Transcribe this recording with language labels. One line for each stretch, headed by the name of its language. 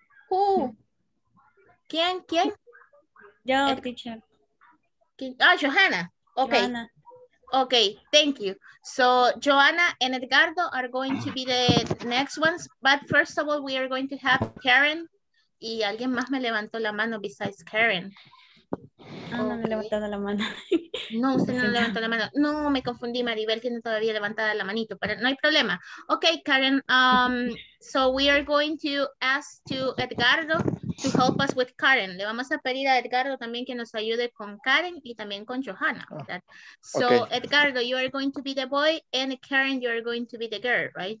English: Who?
Spanish: ¿Quién? ¿Quién? Yo, teacher. ¿Quién?
English: Ah, Johanna. Okay. Okay, thank you. So, Johanna and Edgardo are going to be the next ones. But first of all, we are going to have Karen
Spanish: Y alguien más me levantó la mano
English: besides Karen.
Spanish: No me levantaron la mano. No, usted no levantó la mano. No, me confundí, Maribel tiene todavía levantada la manito, pero no hay problema.
English: Okay, Karen, so we are going to ask to Edgardo to help us with Karen.
Spanish: Le vamos a pedir a Edgardo también que nos ayude con Karen y también con Johanna.
English: Right? So, okay. Edgardo, you are going to be the boy and Karen, you are going to be the girl, right?